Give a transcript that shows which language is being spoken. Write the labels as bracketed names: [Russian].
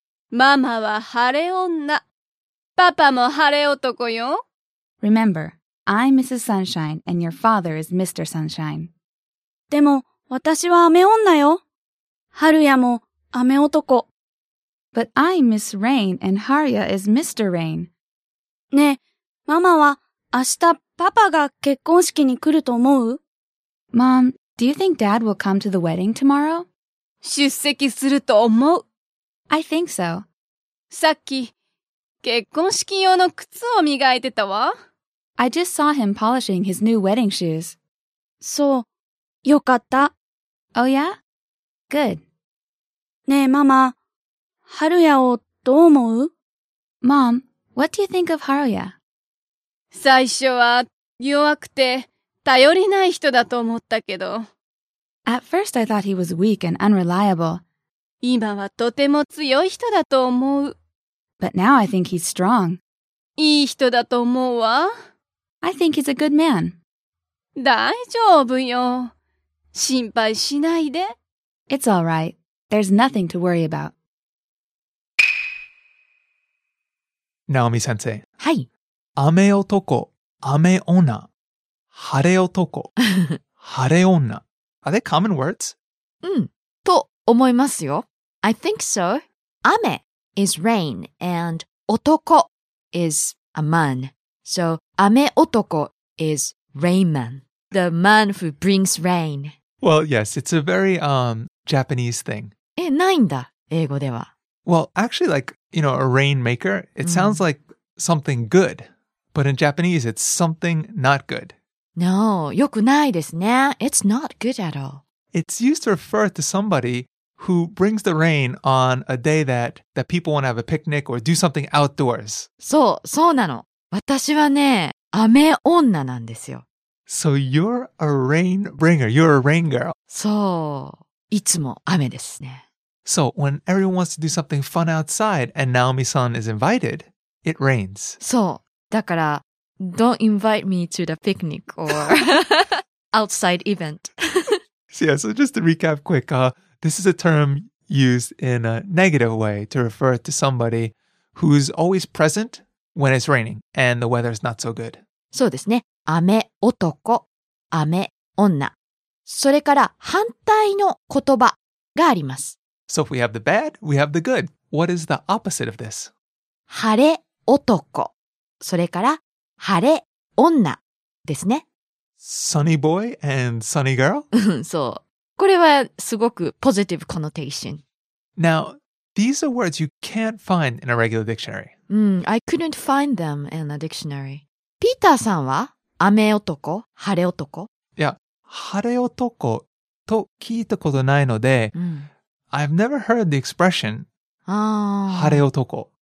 [Japanese] ママは晴れ女。パパも晴れ男よ。 [English] Remember, I'm Mrs. Sunshine and your father is Mr. Sunshine. [Japanese] でも、私は雨女よ。春也も雨男。 [English] But I'm Miss Rain and Haria is Mr. Rain. [Japanese] ねえ、ママは明日パパパが結婚式に来ると思う? [English] Mom, do you think Dad will come to the wedding tomorrow? [Japanese] 出席すると思う。 [English] I think so. [Japanese] さっき、結婚式用の靴を磨いてたわ。 [English] I just saw him polishing his new wedding shoes. [Japanese] そう、よかった。 [English] Oh yeah? Good. [Japanese] ねえ、ママ、ハルヤをどう思う? [English] Mom, what do you think of Haruya? [Japanese] 最初は弱くて頼りない人だと思ったけど。 [English] At first I thought he was weak and unreliable. [Japanese] 今はとても強い人だと思う。 [English] But now I think he's strong. [Japanese] いい人だと思うわ。 [English] I think he's a good man. [Japanese] 大丈夫よ。心配しないで。 [English] It's all right. There's nothing to worry about. Naomi sensei. [Japanese] はい。雨男、雨女、晴れ男、晴れ女。 [English] Are they common words? [Japanese] うん、と思いますよ。 [English] I think so. 雨 is rain and [Japanese] 男 [English] is a man. So, 雨男 is rain man. The man who brings rain. Well, yes, it's a very, Japanese thing. [Japanese] え、ないんだ、英語では。 [English] Well, actually, like, you know, a rainmaker, it sounds like something good. But in Japanese, it's something not good. No, [Japanese] よくないですね。 [English] It's not good at all. It's used to refer to somebody who brings the rain on a day that people want to have a picnic or do something outdoors. [Japanese] そう、そうなの。私はね、雨女なんですよ。 [English] So you're a rain bringer. You're a rain girl. [Japanese] そう、いつも雨ですね。 [English] So when everyone wants to do something fun outside and Naomi-san is invited, it rains. [Japanese] そう。だから、 [English] don't invite me to the picnic or outside event. So, yeah, so just to recap quick, this is a term used in a negative way to refer to somebody who's always present when it's raining and the weather's not so good. [Japanese] そうですね。雨男、雨女。それから反対の言葉があります。 [English] So if we have the bad, we have the good. What is the opposite of this? [Japanese] 晴れ男。それから晴れ女ですね。 [English] Sunny boy and sunny girl? [Japanese] そう。これはすごくポジティブコノテーション。 [English] Now, these are words you can't find in a regular dictionary. I couldn't find them in a dictionary. [Japanese] ピーターさんは雨男、晴れ男? [English] Yeah, [Japanese] 晴れ男と聞いたことないので、 [English] I've never heard the expression 晴れ男。